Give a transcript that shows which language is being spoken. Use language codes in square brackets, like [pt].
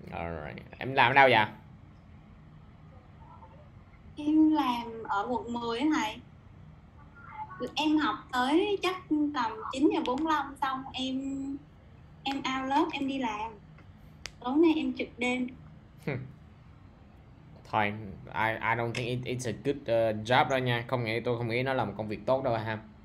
[vi] Alright. Em làm ở đâu vậy? Em làm ở quận 10 thầy. Em học tới chắc tầm 9:45 xong em out lớp em đi làm. Tối nay em trực đêm. Thôi, [en] I don't think it's a good job [vi] đó nha. Không nghĩ tôi không nghĩ nó là một công việc tốt đâu ha.